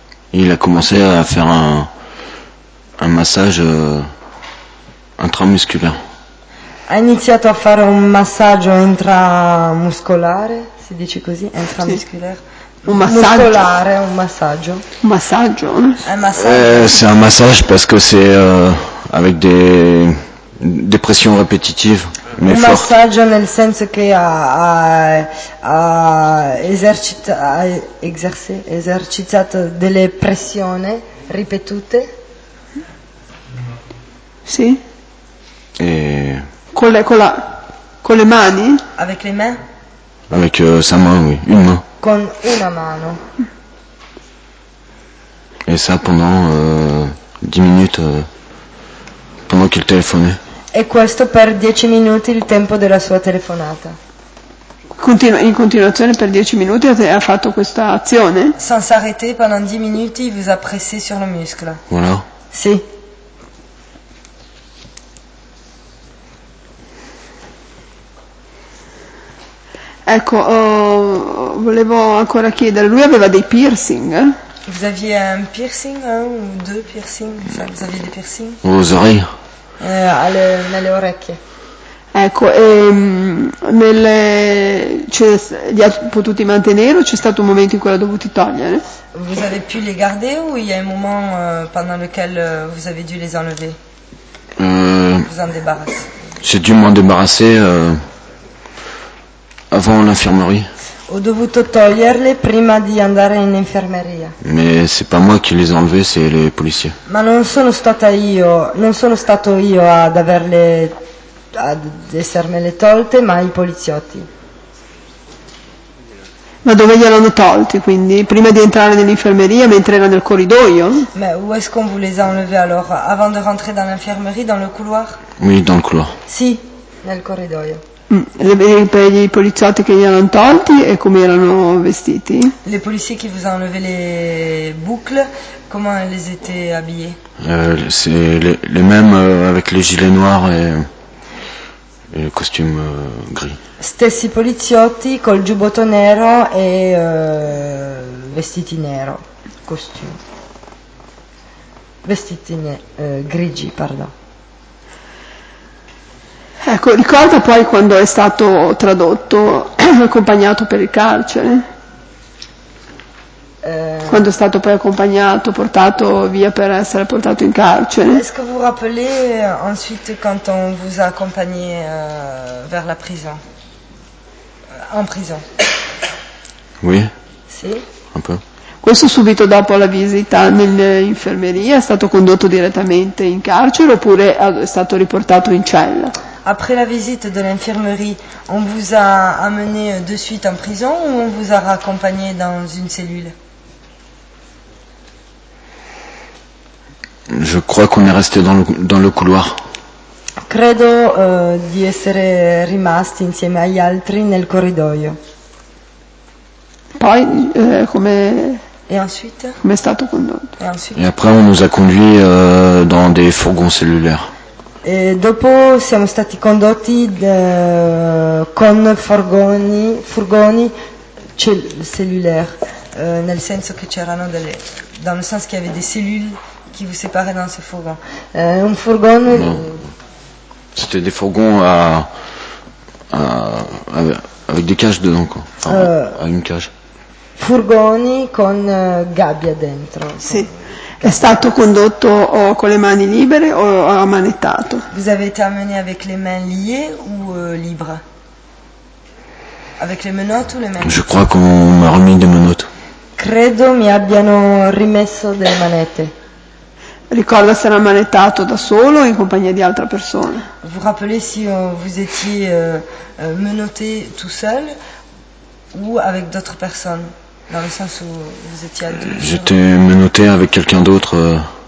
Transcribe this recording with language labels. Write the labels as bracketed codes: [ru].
[fr] Il a [it] cominciato a fare un massaggio intramuscolare. Ha iniziato a fare un massaggio intramuscolare, si dice così, intramuscolare. Sì. Un massaggio. [fr] C'est un massage parce que c'est avec des pressions répétitives, mais fortes. [it] Un massaggio nel senso che ha esercitato delle pressioni ripetute. Sì. E con le mani? [fr] Avec les mains? Avec sa main, oui, une main. [it] Con una mano. [fr] Et ça pendant 10 minutes pendant qu'il téléphonait. [it] E questo per 10 minuti il tempo della sua telefonata. In continuazione per 10 minuti ha fatto questa azione? [fr] Sans arrêter pendant 10 minutes, il vous a pressé sur le muscle. Voilà. [it] Sì. Ecco, volevo ancora chiedere, lui aveva dei piercing? [fr] Vous aviez un piercing, un ou deux piercings? Enfin, vous aviez des piercings? Aux oreilles. [it] Nelle orecchie. Ecco, li ha potuti mantenere o c'è stato un momento in cui l'ha dovuti togliere? [fr] Vous avez pu les garder ou il y a un moment pendant lequel vous avez dû les enlever? Vous en débarrasser. J'ai dû m'en débarrasser... avant l'infirmerie. [it] Ho dovuto toglierle prima di andare in infermeria. [fr] Mais c'est pas moi qui les ai enlevés, c'est les policiers. [it] Ma non sono stato io ad averle, ad essermele tolte, ma i poliziotti. Ma dove gliel'hanno tolti, quindi? Prima di entrare nell'infermeria, mentre era nel corridoio? [fr] Ma où est-ce qu'on vous les a enlevés alors? Avant de rentrer dans l'infirmerie, dans le couloir? Oui, dans le couloir. [it] Sì, nel corridoio. Per i poliziotti che gli hanno tolti e come erano vestiti? [fr] Les policiers qui vous ont enlevé les boucles, comment ils étaient habillés? C'est les mêmes avec les gilets noirs et le costume gris. [it] Stessi poliziotti col giubbotto nero e vestiti nero, costume. Vestiti grigi, pardon. Ecco, ricorda poi quando è stato tradotto, accompagnato per il carcere? Quando è stato poi accompagnato, portato via per essere portato in carcere? [fr] Est-ce que vous rappelez ensuite quand on vous a accompagné vers la prison? En prison? Oui. [it] Sì? Un po'. Questo subito dopo la visita nell'infermeria è stato condotto direttamente in carcere oppure è stato riportato in cella? [fr] Après la visite de l'infirmerie, on vous a amené de suite en prison ou on vous a raccompagné dans une cellule? Je crois qu'on est resté dans le couloir. [it] Credo di essere rimasti insieme agli altri nel corridoio. Poi come? [fr] Et ensuite? [it] Come è stato condotto? [fr] Et ensuite? Et après on nous a conduits dans des fourgons cellulaires. [it] E dopo siamo stati condotti con furgoni cellulaires, nel senso che c'erano delle, [fr] dans le sens qu'il y avait des cellules qui vous séparaient dans ce furgon. [it] Un furgone. [fr] C'était des fourgons avec des cages dedans, quoi. Enfin, à une cage. [it] Furgoni con gabbia dentro. Sì. È stato condotto o con le mani libere o ammanettato? [fr] Vous avez été amené avec les mains liées ou libres? Avec les menottes ou les mains? Je crois qu'on m'a remis des menottes. [it] Credo mi abbiano rimesso delle manette. Ricorda se era ammanettato da solo o in compagnia di altra persona? [fr] Vous rappelez si vous étiez menotté tout seul ou avec d'autres personnes? Dans le sens où vous étiez à deux. J'étais menotté avec quelqu'un d'autre.